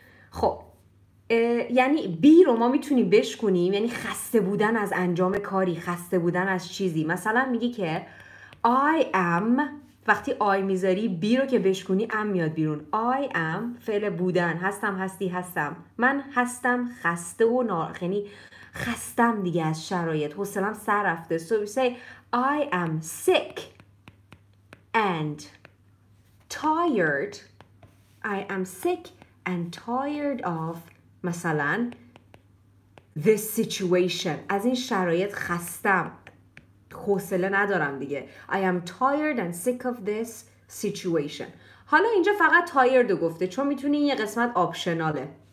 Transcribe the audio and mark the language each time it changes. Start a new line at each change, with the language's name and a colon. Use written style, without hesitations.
Persian: خب یعنی بی رو ما میتونیم بشکنیم یعنی خسته بودن از انجام کاری، خسته بودن از چیزی. مثلا میگی که I am، وقتی آی میذاری بی رو که بشکنی ام میاد بیرون. I am فعل بودن، هستم، هستی، هستم، من هستم خسته و ناراحت، یعنی خستم دیگه از شرایط، حوصله‌ام سر رفته.
English: So we say I am sick and tired. I am sick and tired of مثلا this situation.
Persian: از این شرایط خستم، حوصله ندارم دیگه.
English: I am tired and sick of this situation.
Persian: حالا اینجا فقط tired رو گفته چون میتونی یه قسمت آپشناله.